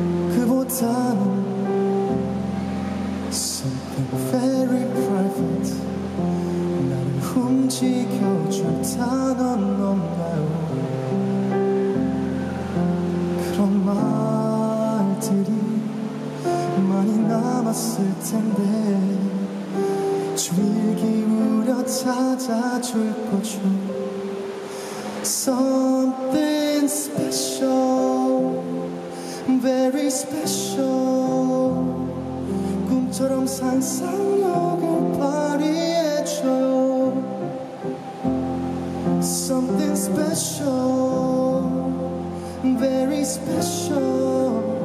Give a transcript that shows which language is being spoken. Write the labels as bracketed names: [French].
[Korean] 그보다는 [English] something very private [Korean] 나를 움직여줄 단어는 없나요. 그런 말들이 많이 남았을 텐데 주일 기울여 찾아줄 거죠. [English] Something special, very special. [Korean] 꿈처럼 상상력을 발휘해줘. [English] Something special, very special.